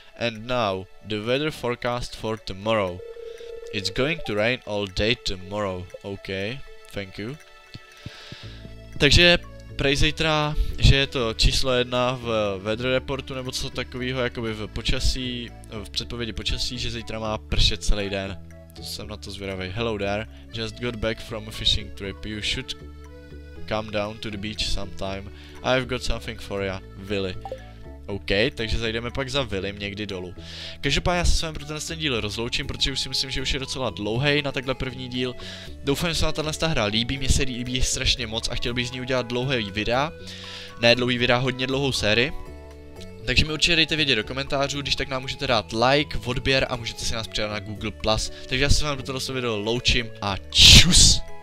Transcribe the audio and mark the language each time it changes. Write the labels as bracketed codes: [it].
[en] And now, the weather forecast for tomorrow. It's going to rain all day tomorrow. OK, thank you. [cs] Takže prej zítra, že je to číslo jedna v weather reportu nebo co takového, jakoby v počasí, v předpovědi počasí, že zítra má pršet celý den. To jsem na to zvědavý. [en] Hello there, just got back from a fishing trip. You should come down to the beach sometime. I've got something for ya, Willy. [cs] OK, takže zajdeme pak za Willym někdy dolů. Každopádně já se s vámi pro tenhle díl rozloučím, protože už si myslím, že už je docela dlouhej na takhle první díl. Doufám, že se vám tahle hra líbí, mě se líbí strašně moc a chtěl bych z ní udělat dlouhé videa. Ne dlouhý videa, hodně dlouhou sérii. Takže mi určitě dejte vědět do komentářů, když tak nám můžete dát like, odběr a můžete si nás přidat na Google+. Takže já se s vámi pro tohle video loučím a čus!